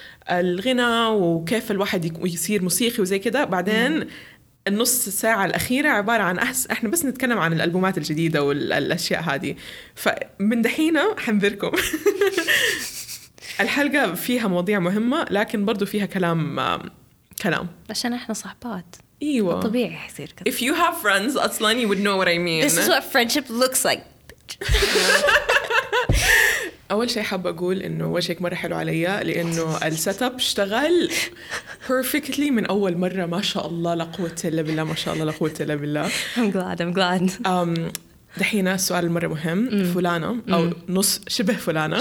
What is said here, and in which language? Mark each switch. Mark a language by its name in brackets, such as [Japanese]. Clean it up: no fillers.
[Arabic] الغناء وكيف الواحد يصير موسيقي وزي كده بعدين النص ساعة الأخيرة عبارة عن احنا بس نتكلم عن الألبومات الجديدة والأشياء هذه فمن دحينة حنذركم الحلقة فيها مواضيع مهمة لكن برضو فيها كلام عشان احنا صحبات ايوه طبيعي حصير [English] كده If you have friends أصلاً you would know what I mean This is what friendship looks like [Arabic] أول شيء حاب أقول إنه وجهك مرة حلو عليا لأنه السيتاب اشتغل perfectly من أول مرة ما شاء الله لا قوة إلا بالله ما شاء الله لا قوة إلا بالله [English] I'm glad [Arabic] دحين السؤال المرة مهم فلانة أو نص شبه فلانة